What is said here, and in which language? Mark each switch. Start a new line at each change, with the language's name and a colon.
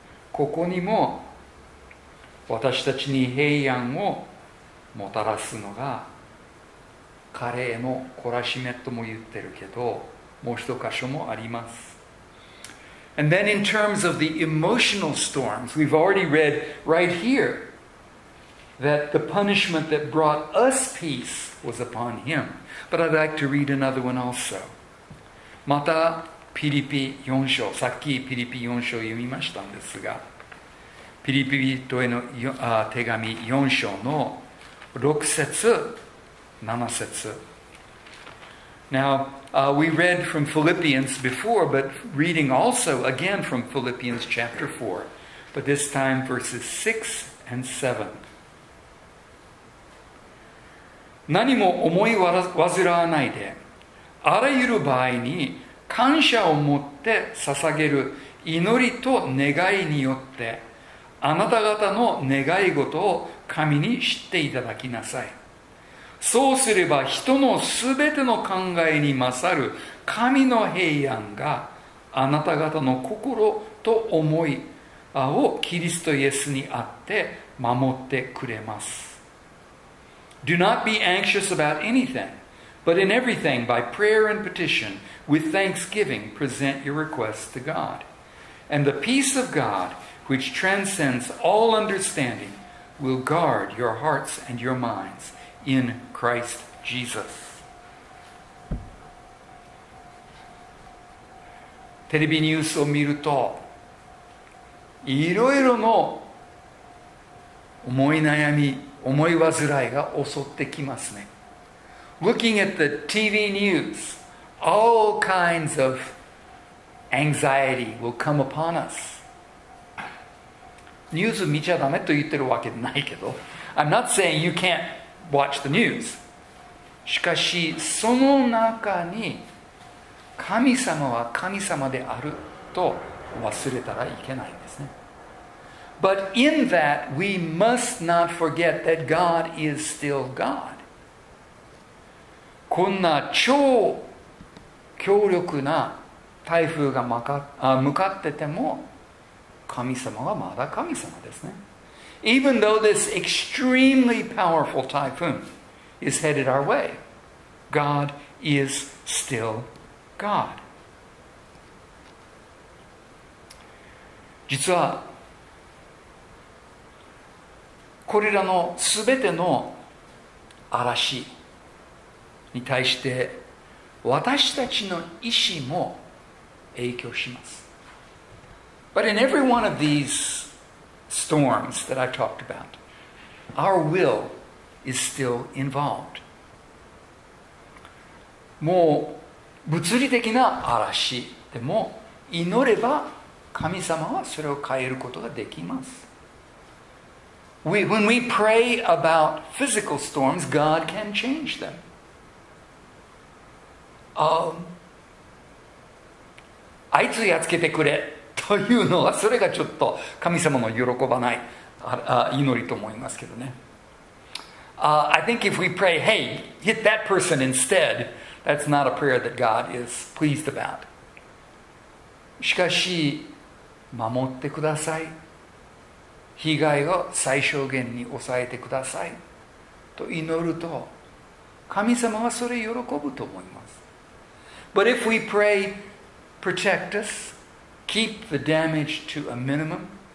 Japanese: ここにも、私たちに平安をもたらすのが、彼への懲らしめとも言ってるけど、もう一箇所もあります。
English: And then in terms of the emotional storms, we've already read right here that the punishment that brought us peace was upon him. But I'd like to read another one also.
Japanese: またピリピ4章、さっきピリピ4章を読みましたんですが、ピリピ人への手紙4章の6節7節、
English: Now, we read from Philippians before, but reading also again from Philippians chapter 4, but this time verses 6 and 7.
Japanese: 何も思い煩わないで、あらゆる場合に感謝を持って捧げる祈りと願いによって、あなた方の願い事を神に知っていただきなさい。そうすれば人のすべての考えに勝る神の平安があなた方の心と思いをキリストイエスにあって守ってくれます。
English: Do not be anxious about anything, but in everything by prayer and petition, with thanksgiving, present your requests to God. And the peace of God, which transcends all understanding, will guard your hearts and your minds. In Christ Jesus.
Japanese: テレビニュースを見るといろいろの思い悩み思い煩いが襲ってきますね。
English: Looking at the TV news, all kinds of anxiety will come upon us.
Japanese: ニュース見ちゃダメと言ってるわけないけど、
English: I'm not saying you can'tWatch the news.
Japanese: しかしその中に神様は神様であると忘れたらいけないんですね。
English: But in that we must not forget that God is still God.
Japanese: こんな超強力な台風が向かってても神様はまだ神様ですね。
English: Even though this extremely powerful typhoon is headed our way, God is still God.
Japanese: 実はこれらのすべての嵐に対して私たちの意思も影響します。
English: But in every one of these storms that I talked about, our will is still involved.
Japanese: もう物理的な嵐でも祈れば神様はそれを変えることができます。
English: When we pray about physical storms, God can change them.
Japanese: あいつやっつけてくれ。というのはそれがちょっと神様の喜ばない祈りと思いますけどね。
English: I think if we pray, hey, hit that person instead, that's not a prayer that God is pleased about.
Japanese: しかし、守ってください。被害を最小限に抑えてください。と祈ると、神様はそれ喜ぶと思います。
English: But if we pray, protect us,Keep the damage to a minimum.